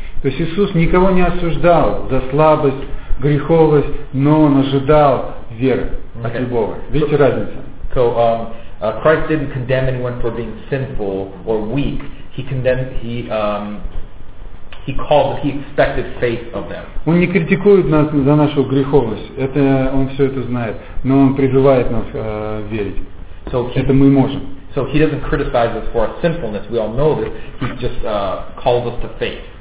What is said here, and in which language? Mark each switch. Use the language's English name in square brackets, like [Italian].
[Russian] То есть Иисус никого не осуждал за слабость, греховность, но он ожидал веры от любого. Видите разницу? [English] So Christ didn't condemn anyone for being sinful or weak. He He called it, he expected faith of them. [Russian] Он не критикует нас за нашу греховность. Это он все это знает. Но он призывает нас верить. [English] So [Russian] это мы можем. [English] So he doesn't criticize us for our sinfulness. We all know this. He just calls us to faith.